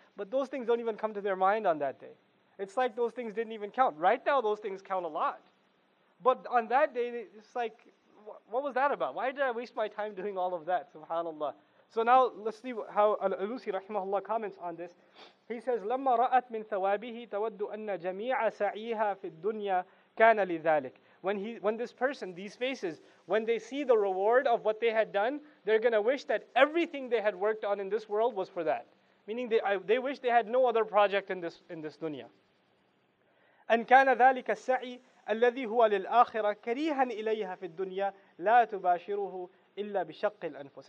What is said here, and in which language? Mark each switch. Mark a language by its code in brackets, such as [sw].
[en] But those things don't even come to their mind on that day. It's like those things didn't even count. Right now, those things count a lot. But on that day, it's like, what was that about? Why did I waste my time doing all of that? Subhanallah. So now, let's see how Al-Alusi rahimahullah comments on this. He says, [ar] لَمَّا رَأَتْ مِنْ ثَوَابِهِ تَوَدُّ أَنَّ جَمِيعَ سَعِيهَا فِي الدُّنْيَا كَانَ لِذَلِكَ. [en] When this person, these faces, when they see the reward of what they had done, they're going to wish that everything they had worked on in this world was for that. Meaning they wish they had no other project in this dunya. And [ar] كَانَ ذَلِكَ السَّعِي الَّذِي هُوَ لِلْآخِرَةِ كَرِيهًا إِلَيْهَا فِي الدُّنْيَا لَا تُبَاشِرُهُ إِلَّا بِشَقِّ الْأَنفُسِ.